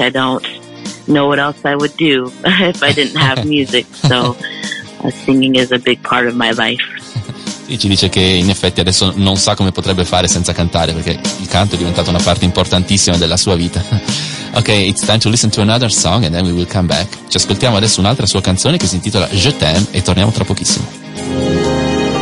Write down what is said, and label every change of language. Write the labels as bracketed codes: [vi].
[en] I don't know what else I would do if I didn't have music, so singing is a big part of my life. [it] Sì, ci dice che in effetti adesso non sa come potrebbe fare senza cantare, perché il canto è diventato una parte importantissima della sua vita. [en] Okay, it's time to listen to another song and then we will come back. [it] Ci ascoltiamo adesso un'altra sua canzone che si intitola Je t'aime, e torniamo tra pochissimo.